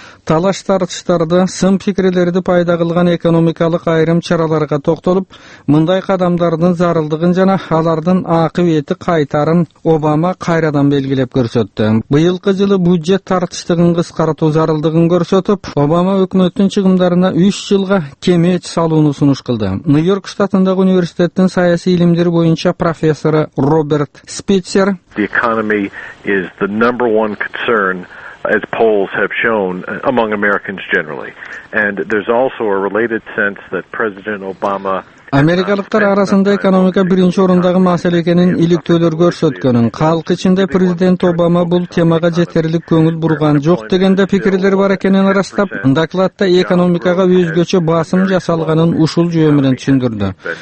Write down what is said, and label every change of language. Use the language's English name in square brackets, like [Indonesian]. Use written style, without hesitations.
[Kyrgyz] талаш тартыштарды, сын пикирлерди пайда кылган экономикалык айрым чараларга токтолуп, мындай кадамдардын зарылдыгын жана алардын акыбети кайтарын Обама кайрадан белгилеп көрсөттү. Быйылкы жылы бюджет тартыштыгын кыскартуу зарылдыгын көрсөтүп, Обама өкмөттүн чыгымдарына 3 жылга кемеч салууну сунуш кылды. Нью-Йорк штатындагы университеттин саясий илимдер боюнча профессору Роберт Спицер: [English] The economy is the number one concern, as polls have shown, among Americans generally. And there's also a related sense that President Obama... [Kyrgyz] Америкалыктар арасында экономика биринчи орундагы маселе экенин иликтөөлөр көрсөткөнүн, калк ичинде президент Обама бул темага жетерлик көңүл бурган жок дегенде пикирлер бар экенин ырастап, докладта экономикага өзгөчө басым жасалганын ушул жөө менен түшүндүрдү.